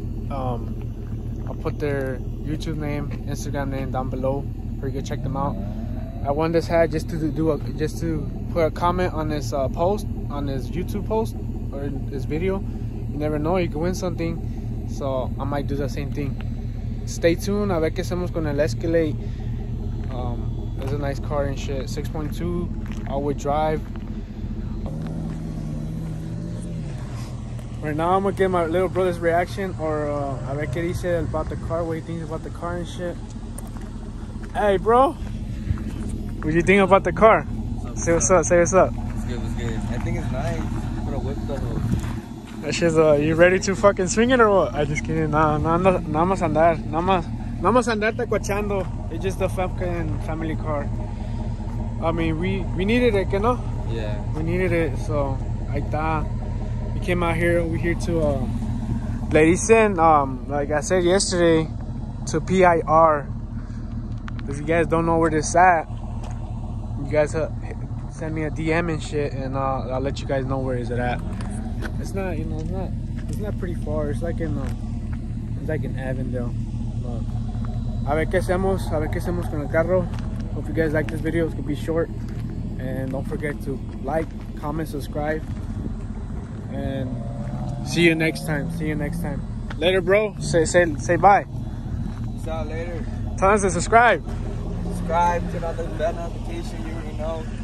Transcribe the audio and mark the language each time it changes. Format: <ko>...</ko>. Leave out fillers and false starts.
<en>I'll put their YouTube name, Instagram name down below for you to check them out. I won this hat just to do a, just to put a comment on his post, on his YouTube post or his video. You never know, you can win something. So I might do the same thing. Stay tuned.</en> <es>A ver qué hacemos con el Escalade.</es> <en>It's a nice car and shit. 6.2 all-wheel drive. Right now I'm gonna get my little brother's reaction, or</en> <es>a ver qué dice</es> <en>about the car, what he thinks about the car and shit. Hey, bro. What do you think about the car? Say what's up. It's good. I think it's nice. Put a whip though. That shit's, you ready to fucking swing it or what? I just kidding. Nah,</en> <es>nada más andar. Nada más andar tacuachando.</es> <en>It's just a fucking family car. I mean, we needed it, you know? Yeah. We needed it, so.</en> <es>Ahí está.</es> <en>We came out here, we're here to, ladies and, like I said yesterday, to PIR. If you guys don't know where this at, you guys send me a DM and shit, and I'll let you guys know where is it at. It's not, you know, it's not pretty far. It's like in Avondale.</en> <es>A ver qué hacemos con el carro.</es> <en>Hope you guys like this video. It's gonna be short, and don't forget to like, comment, subscribe, and see you next time. Later, bro. Say bye. See you later. Tell us to subscribe. Subscribe, turn on the bell notification. You already know.</en>